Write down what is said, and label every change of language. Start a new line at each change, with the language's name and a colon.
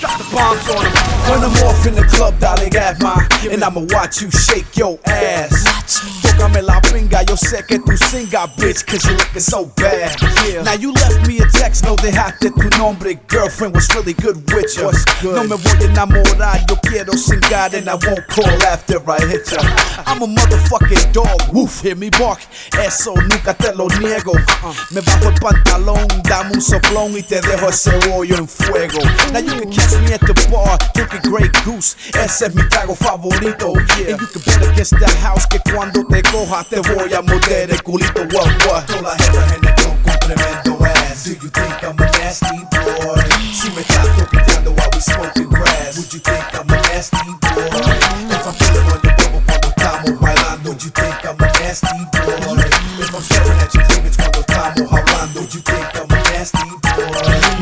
English: Drop the bombs on them. When I'm off in the club, dale, got mine. And I'ma watch you shake your ass.
Spanish: Tócame la pinga, yo sé que tú singa,
English: bitch, cause you looking so bad, yeah. Now you left me a text,
Spanish: no dejaste tu nombre.
English: Girlfriend was really good with ya.
Spanish: No me voy a enamorar, yo quiero singar.
English: And I won't call after I hit ya. I'm a motherfucking dog, woof, hear me bark.
Spanish: Eso nunca te lo niego. Me bajo el pantalón, dame un soplón. Y te dejo ese hoyo en fuego.
English: Now you can catch me at the bar, drinking Grey Goose.
Spanish: Ese es mi trago favorito, yeah.
English: And you can bet against the house
Spanish: que cuando te coja te voy a morder el culito, what, what. Toda la jeva en el club con tremendo ass.
English: Do you think I'm a nasty boy?
Spanish: Si me estás toqueteando
English: while we smoking grass. Would you think I'm a nasty boy? If I'm pulling on your bubble
Spanish: cuando estamos bailando.
English: Would you think I'm a nasty boy? If I'm staring at your cleavage
Spanish: cuando estamos hablando.
English: Would you think I'm a nasty boy?